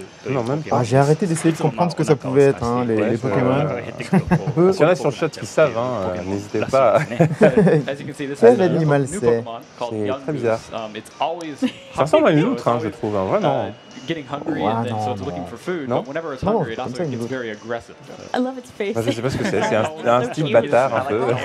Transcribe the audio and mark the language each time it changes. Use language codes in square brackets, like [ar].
[fr] Non, même pas. Ah, j'ai arrêté d'essayer de comprendre ce que ça pouvait être, hein, les Pokémon. Il y en a sur le chat qui savent, hein, n'hésitez pas. Quel animal c'est? C'est très bizarre. Ça ressemble à une loutre, hein, je trouve, hein, vraiment. [en] Getting hungry and then so it's looking for food. [fr] Non. [en] But whenever it's hungry, it also gets very aggressive. I love its face. [fr] Je sais pas ce que c'est. C'est un style bâtard, un peu.